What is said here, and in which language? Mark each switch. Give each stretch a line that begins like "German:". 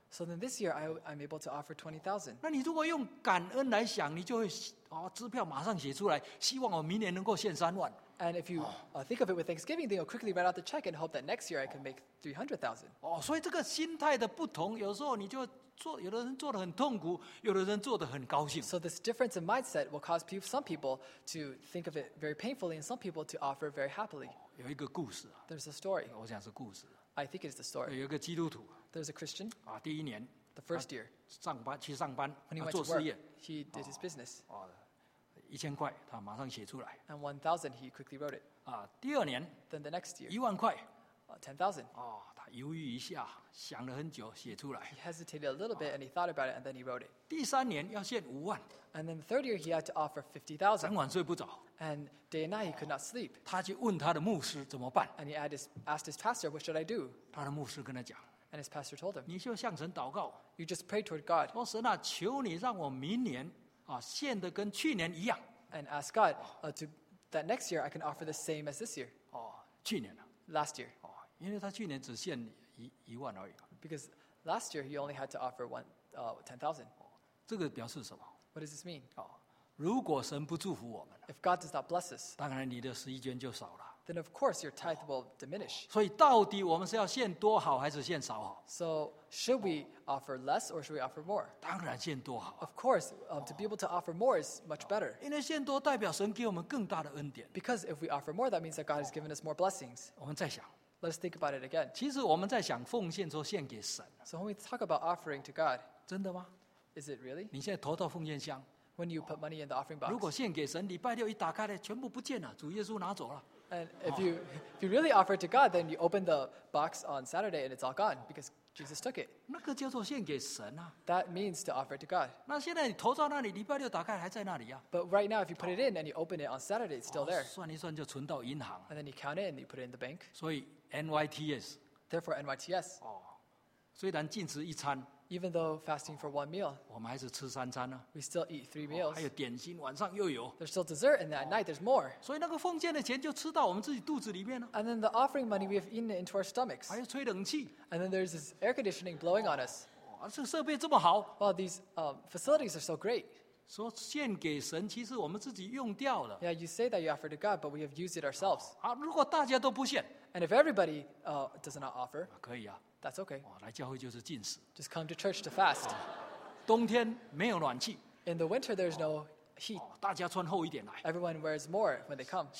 English: So then this year I'm able to offer 20,000.
Chinese: 那你如果用感恩来想，你就会支票马上写出来，希望我明年能够献三万。
English: And if you think of it with Thanksgiving, then you'll quickly write out the check and hope that next year I can make 300,000.
Chinese: 所以这个心态的不同，有时候你就。有的人做得很痛苦，有的人做得很高兴。
English: So this difference in mindset will cause some people to think of it very painfully and some people to offer very happily.
Chinese: 有一个故事。
English: There's a story.
Chinese: 我想是故事。
English: I think it's the story.
Chinese: 有一个基督徒。
English: There's a Christian.
Chinese: 第一年。
English: The first year.
Chinese: 去上班。
English: When he went to work, he did his business.
Chinese: 一千块，他马上写出来。
English: And 1,000, he quickly wrote it.
Chinese: 第二年。
English: Then the next year.
Chinese: 一万块。
English: 10,000.
Chinese: 犹豫一下，想了很久，写出来。
English: He hesitated a little bit, and he thought about it, and then he wrote it.
Chinese: 第三年要献五万。
English: And then the third year, he had to offer 50,000.
Chinese: 整晚睡不着。
English: And day and night, he could not sleep.
Chinese: 他去问他的牧师怎么办。
English: And he asked his pastor, "What should I do?"
Chinese: 他的牧师跟他讲。
English: And his pastor told him,
Chinese: 你就向神祷告。
English: You just pray toward God.
Chinese: 说神啊，求你让我明年献的跟去年一样。
English: And ask God that next year I can offer the same as this year.
Chinese: 去年啊。
English: Last year.
Chinese: 因为他去年只献一万而已。
English: Because last year he only had to offer 10,000.
Chinese: 这个表示什么
English: ？What does this mean？
Chinese: 如果神不祝福我们
English: ，If God does not bless us，
Chinese: 当然你的十一捐就少了。
English: Then of course your tithe will diminish。
Chinese: 所以到底我们是要献多好还是献少好
English: ？So should we offer less or should we offer more？
Chinese: 当然献多好。
English: Of course, to be able to offer more is much better。
Chinese: 因为献多代表神给我们更大的恩典。
English: Because if we offer more, that means that God has given us more blessings。
Chinese: 我们再想。
English: Let's think about it again.
Chinese: 其实我们在想奉献说献给神。
English: So when we talk about offering to God,
Chinese: 真的吗
English: ？Is it really?
Chinese: 你现在投到奉献箱。
English: When you put money in the offering box.
Chinese: 如果献给神，礼拜六一打开来，全部不见了，主耶稣拿走了。
English: And if you really offer to God, then you open the box on Saturday and it's all gone because Jesus took it.
Chinese: 那个叫做献给神啊。
English: That means to offer to God.
Chinese: 那现在你投到那里，礼拜六打开还在那里呀。
English: But right now, if you put it in and you open it on Saturday, it's still there.
Chinese: 算一算就存到银行。
English: And then you count it and you put it in the bank.
Chinese: 所以。NYTS.
English: Therefore, NYTS.
Chinese: 虽然禁食一餐
English: Even though fasting for one meal,
Chinese: 我们还是吃三餐啊。
English: We still eat three meals.
Chinese: 还有点心，晚上又有。
English: There's still dessert, and at night there's more.
Chinese: 所以那个奉献的钱就吃到我们自己肚子里面了。
English: And then the offering money we have eaten into our stomachs.
Chinese: 还有吹冷气。
English: And then there's this air conditioning blowing on us.
Chinese: 这设备这么好。
English: Well, these facilities are so great.
Chinese: 说献给神，其实我们自己用掉了。
English: Yeah, you say that you offer to God, but we have used it ourselves.
Chinese: 如果大家都不献。
English: And if everybody does not offer,
Chinese: 可以啊,
English: that's okay.
Chinese: 来教会就是禁食。
English: Just come to church to fast.
Chinese: 冬天没有暖气。
English: In the winter, there's no heat.
Chinese: 大家穿厚一点来。
English: Everyone wears more when they come.